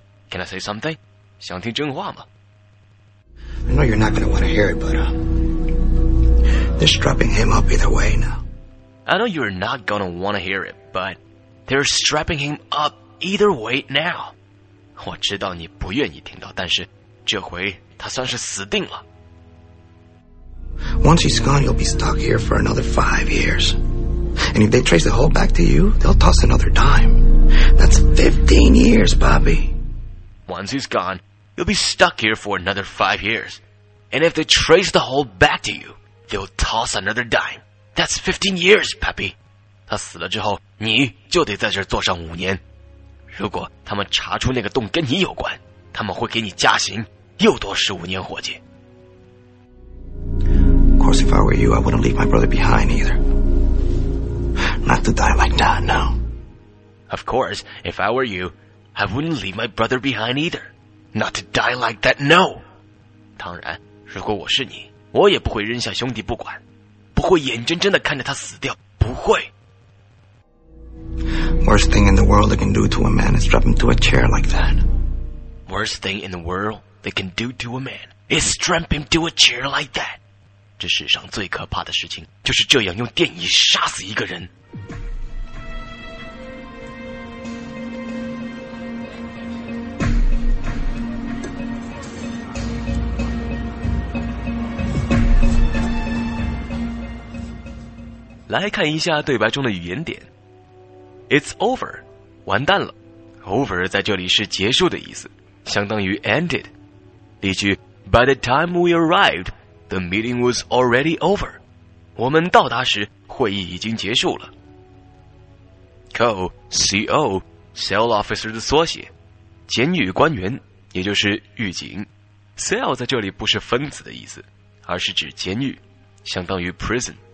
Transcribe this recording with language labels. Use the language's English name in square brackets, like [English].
[English] Can I say something? [Chinese] 想听真话吗？ [English] I know you're not going to want to hear it, but... They're strapping him up either way now. I know you're not gonna wanna hear it, but they're strapping him up either way now. [Chinese] 我知道你不愿意听到，但是这回他算是死定了。 [English] Once he's gone, you'll be stuck here for another 5 years. And if they trace the hole back to you, they'll toss another dime. That's 15 years, Bobby. Once he's gone, you'll be stuck here for another 5 years. And if they trace the hole back to you,They'll toss another dime. That's 15 years, Pappy. [Chinese] 他死了之后，你就得在这坐上五年。如果他们查出那个洞跟你有关，他们会给你加刑，又多15年，伙计。 [English] Of course, if I were you, I wouldn't leave my brother behind either. Not to die like that, no. Of course, if I were you, I wouldn't leave my brother behind either. Not to die like that, no. [Chinese] 当然，如果我是你。我也不会扔下兄弟不管，不会眼睁睁地看着他死掉，不会。 [English] Worst thing in the world they can do to a man is strap him to a chair like that. Worst thing in the world they can do to a man is strap him to a chair like that. [Chinese] 这世上最可怕的事情就是这样用电椅杀死一个人。来看一下对白中的语言点。 [English] It's over， [Chinese] 完蛋了。Over 在这里是结束的意思，相当于 ended。 [English] 例句， By the time we arrived, the meeting was already over。 [Chinese] 我们到达时，会议已经结束了。 Co, CO, Cell Officer 的缩写，检举官员，也就是狱警。 Cell 在这里不是分子的意思，而是指监狱，相当于 prison。